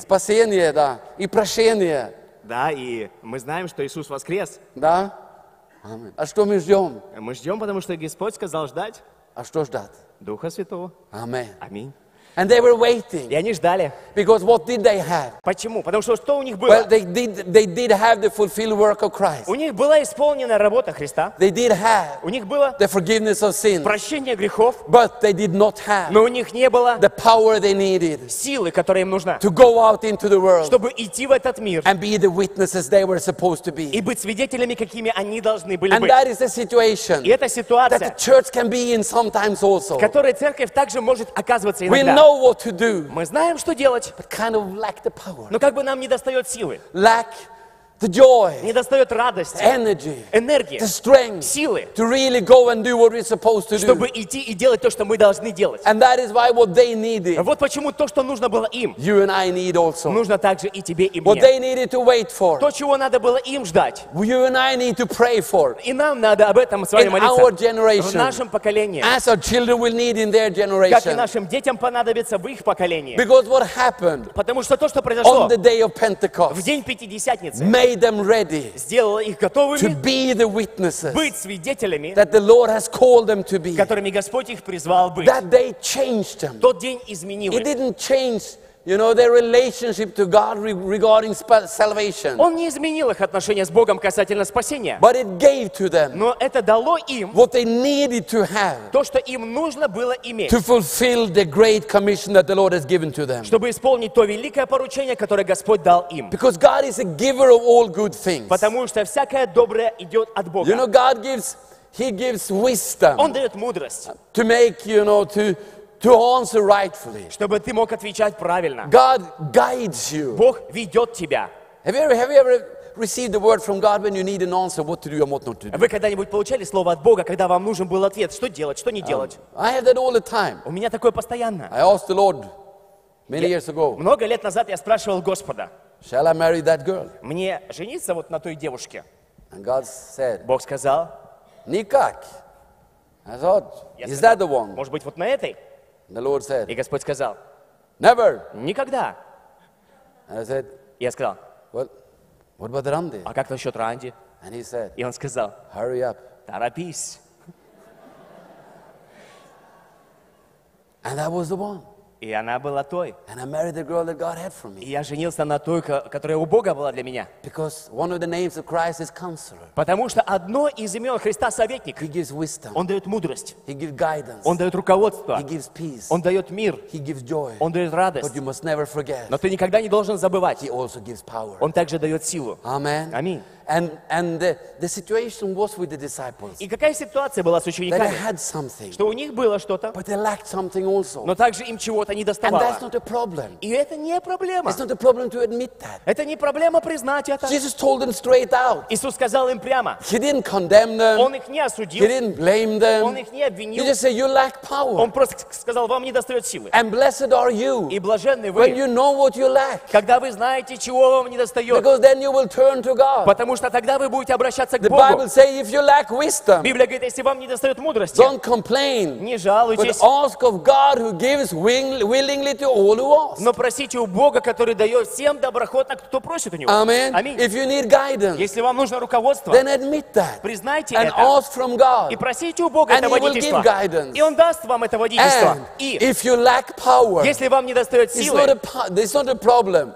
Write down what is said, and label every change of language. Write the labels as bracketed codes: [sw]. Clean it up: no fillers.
[ru] Спасение, да. И прощение. Да, и мы знаем, что Иисус воскрес. Да. А что мы ждем? Мы ждем, потому что Господь сказал ждать. А что ждать? Духа Святого. Аминь. Аминь. [en] And they were waiting. [ru] И они ждали. [en] Because what did they have? [ru] Почему? Потому что что у них было? [en] Well, they did have the fulfilled work of Christ. [ru] У них была исполненная работа Христа. [en] They did have. [ru] У них было? [en] The forgiveness of sins. [ru] Прощение грехов. [en] But they did not have. [ru] Но у них не было. [en] The power they needed. [ru] Силы, которая им нужна. [en] To go out into the world. [ru] Чтобы идти в этот мир. [en] And be the witnesses they were supposed to be. [ru] И быть свидетелями, какими они должны были [en] and [ru] быть. [en] And that is the situation. [ru] И это ситуация. [en] That the church can be in sometimes also. [ru] В которой церковь также может оказываться иногда. [en] What to do, [ru] мы знаем, что делать, [en] but kind of lack the power. [ru] Но как бы нам не достает силы, [en] lack the joy, [ru] не достает радости, [en] energy, [ru] энергии, [en] the strength, [ru] силы, [en] to really go and do what we're supposed to do. [ru] Чтобы идти и делать то, что мы должны делать. [en] And that is why what they needed, [ru] вот почему то, что нужно было им, [en] you and I need also. [ru] Нужно также и тебе, и мне. [en] What they needed to wait for, [ru] то, чего надо было им ждать, [en] you and I need to pray for. [ru] И нам надо об этом с вами [en] in [ru] молиться. [en] Our generation, [ru] в нашем поколении. [en] As our children will need in their generation. [ru] Как и нашим детям понадобится в их поколении. [en] Because what happened, [ru] потому что то, что произошло [en] on the day of Pentecost, [ru] в день Пятидесятницы, [en] them ready [ru] сделала их готовыми [en] to be the witnesses, [ru] быть свидетелями, [en] that the Lord has called them to be, [ru] которыми Господь их призвал быть, [en] that they changed them. [ru] Тот день изменил [en] it didn't change, you know, their relationship to God regarding salvation. [ru] Он не изменил их отношения с Богом касательно спасения. [en] But it gave to them. [ru] Но это дало им. [en] What they needed to have. [ru] То, что им нужно было иметь. [en] To fulfill the great commission that the Lord has given to them. [ru] Чтобы исполнить то великое поручение, которое Господь дал им. [en] Because God is a giver of all good things. [ru] Потому что всякое доброе идет от Бога. [en] You know, God gives, He gives wisdom. [ru] Он дает мудрость. [en] To make, you know, to answer rightfully. [ru] Чтобы ты мог отвечать правильно. [en] God guides you. [ru] Бог ведет тебя. [en] Have you ever received the word from God when you need an answer what to do and what not to do? [ru] Вы когда-нибудь получали слово от Бога, когда вам нужен был ответ, что делать, что не делать? [en] I have that all the time. [ru] У меня такое постоянно. [en] I asked the Lord many years ago. [ru] Много лет назад я спрашивал Господа. [en] Shall I marry that girl? [ru] Мне жениться вот на той девушке? [en] And God said. [ru] Бог сказал. Никак. [en] I thought, is that the one? [ru] Может быть, вот на этой? [en] The Lord said, [ru] и Господь сказал, [en] never. [ru] Никогда. [en] And I said, [ru] я сказал, [en] well, What about Randy? [ru] А как насчет Ранди? [en] And he said, [ru] и он сказал, [en] Hurry up. [ru] Торопись. [en] And that was the one. [ru] И она была той. [en] And I married the girl that God had for me. [ru] И я женился на той, которая у Бога была для меня. [en] Because one of the names of Christ is counselor. [ru] Потому что одно из имен Христа — советник. [en] He gives wisdom. [ru] Он дает мудрость. [en] He gives guidance. [ru] Он дает руководство. [en] He gives peace. [ru] Он дает мир. [en] He gives joy. [ru] Он дает радость. [en] But you must never forget. [ru] Но ты никогда не должен забывать. [en] He also gives power. [ru] Он также дает силу. [en] Amen. [ru] Аминь. [en] And the situation was with the disciples. [ru] И какая ситуация была с учениками? [en] That they had something. [ru] Что у них было что-то. [en] But they lacked something also. [ru] Но также им чего-то не доставало. [en] And that's not a problem. [ru] И это не проблема. [en] It's not a problem to admit that. [ru] Это не проблема признать это. [en] Jesus told them straight out. [ru] Иисус сказал им прямо. [en] He didn't condemn them. [ru] Он их не осудил. [en] He didn't blame them. [ru] Он их не обвинил. [en] He just said, you lack power. [ru] Он просто сказал, вам недостает силы. [en] And blessed are you. [ru] И блаженны вы. [en] When you know what you lack. [ru] Когда вы знаете, чего вам недостает. [en] Because then you will turn to God. [ru] Потому что тогда вы будете обращаться к [en] the [ru] Богу. [en] Bible say, if you lack wisdom, [ru] Библия говорит, если вам недостает мудрости, [en] don't complain, [ru] не жалуйтесь, [en] but ask of God who gives willingly to all who ask. [ru] Но просите у Бога, который дает всем доброхотно, кто просит у Него. [en] Amen. [ru] Аминь. [en] If you need guidance, [ru] если вам нужно руководство, [en] then admit that, [ru] признайте [en] and [ru] это [en] ask from God, [ru] и просите у Бога [en] and [ru] это водительство. [en] He will give guidance. [ru] И Он даст вам это водительство. [en] And [ru] и [en] if you lack power, [ru] если вам недостает силы, [en] it's not a problem,